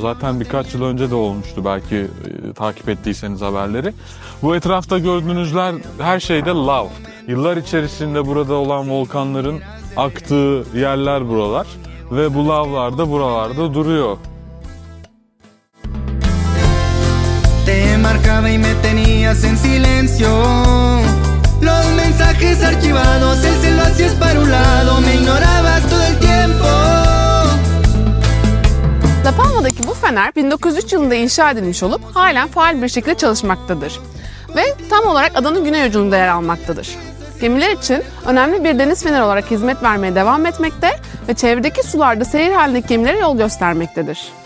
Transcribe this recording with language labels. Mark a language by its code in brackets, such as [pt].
[tr] Zaten birkaç yıl önce de olmuştu belki takip ettiyseniz haberleri. Bu etrafta gördüğünüzler her şeyde lav. Yıllar içerisinde burada olan volkanların aktığı yerler buralar. Ve bu lavlar da buralarda duruyor. [es] Te marcaba y me tenías en silencio. Los mensajes archivados, el celo así es para un lado, me ignorabas todo el tiempo. [tr] La Palma'daki bu fener 1903 yılında inşa edilmiş olup halen faal bir şekilde çalışmaktadır. Ve tam olarak adanın güney ucunda yer almaktadır. Gemiler için önemli bir deniz feneri olarak hizmet vermeye devam etmekte ve çevredeki sularda seyir halindeki gemilere yol göstermektedir.